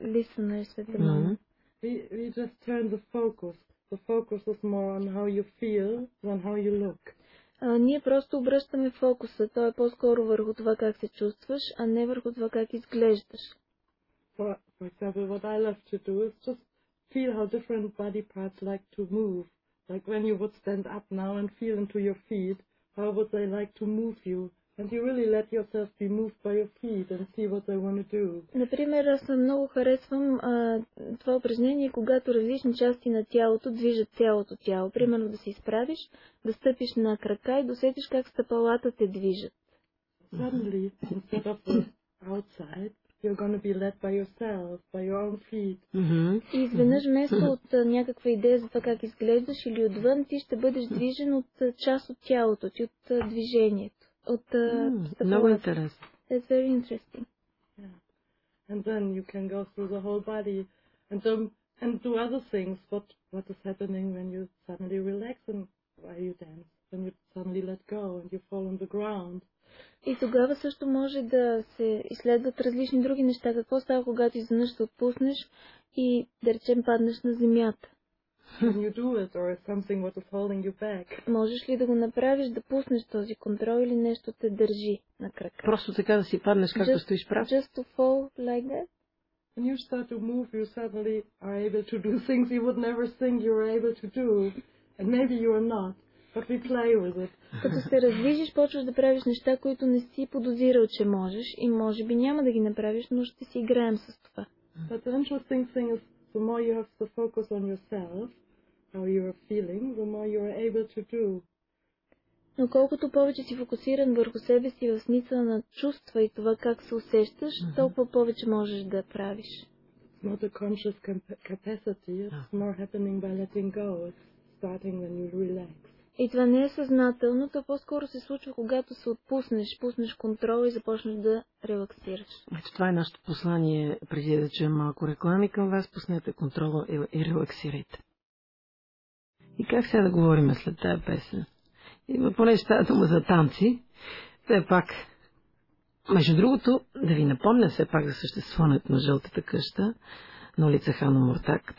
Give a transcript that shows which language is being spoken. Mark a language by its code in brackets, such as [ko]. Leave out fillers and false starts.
[en] Listeners, at the moment. We just turn the focus. The focus is more on how you feel than how you look. [bg] Ние просто обръщаме фокуса. Той е по-скоро върху това как се чувстваш, а не върху това как изглеждаш. [en] For example, what I love to do is just feel how different body parts like to move. Like when you would stand up now and feel into your feet, how would they like to move you? And you really let yourself be moved by your feet and see what they want to do. [bg] Например, аз много харесвам това упражнение, когато различни части на тялото движат цялото тяло. Примерно да се изправиш, да стъпиш на крака и да усетиш как стъпалата те движат. [en] Suddenly, instead of outside, you're going to be led by yourself, by your own feet. [bg] И изведнъж вместо от някаква идея за това как изглеждаш или отвън, ти ще бъдеш движен от част от тялото ти, от движението. Много интересно. [en] That's very interesting. Yeah. And then you can go through the whole body and do other things. What is happening when you suddenly relax and while you dance? When you suddenly let go and you fall on the ground. [bg] И тогава също може да се изследват различни други неща. Какво става, когато изведнъж се отпуснеш и, да речем, паднеш на земята? [en] Can you do it, or is something what is holding you back? [bg] Можеш ли да го направиш, да пуснеш този контрол, или нещо те държи на крака? Просто така да си паднеш, както стоиш прав? [en] Just to fall like that? When you start to move, you suddenly are able to do things you would never think you were able to do, and maybe you are not, but we play with it. [bg] Като се раздвижиш, почваш да правиш неща, които не си подозирал, че можеш, и може би няма да ги направиш, но ще си играем с това. [en] But the interesting thing is, the more you have to focus on yourself, how you are feeling, the more you are able to do. [bg] Но колкото повече си фокусиран върху себе си в смисъл на чувства и това как се усещаш, толкова повече можеш да правиш. [en] Not a conscious capacity, it's more happening by letting go, it's starting when you relax. [bg] И това не е съзнателно, то по-скоро се случва, когато се отпуснеш, пуснеш контрол и започнеш да релаксираш. Ето това е нашето послание, преди да чуем малко реклами към вас, пуснете контрола и релаксирайте. И как сега да говорим след тая песен? И понеже става дума за танци, все пак, между другото, да ви напомня все пак за съществуването на жълтата къща на улица Ханомортак.